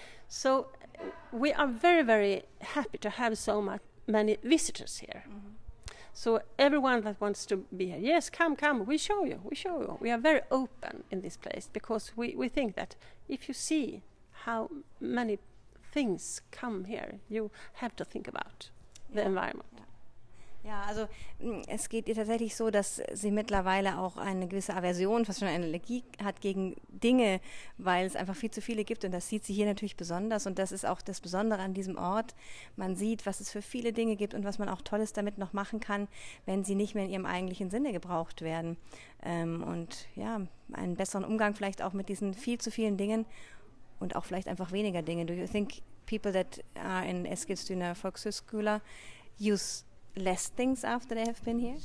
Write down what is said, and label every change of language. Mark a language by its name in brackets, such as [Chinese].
[English] So we are very, very happy to have so much many visitors here. So everyone that wants to be here, yes, come, we show you, we show you. We are very open in this place, because we think that if you see how many things come here, you have to think about the environment. [German] Ja, also es geht ihr tatsächlich so, dass sie mittlerweile auch eine gewisse Aversion, fast schon eine Allergie hat gegen Dinge, weil es einfach viel zu viele gibt. Und das sieht sie hier natürlich besonders. Und das ist auch das Besondere an diesem Ort. Man sieht, was es für viele Dinge gibt und was man auch Tolles damit noch machen kann, wenn sie nicht mehr in ihrem eigentlichen Sinne gebraucht werden. Und ja, einen besseren Umgang vielleicht auch mit diesen viel zu vielen Dingen und auch vielleicht einfach weniger Dinge. [English] Do you think people that are in Eskilstuna Volkshögskola use less things after they have been here?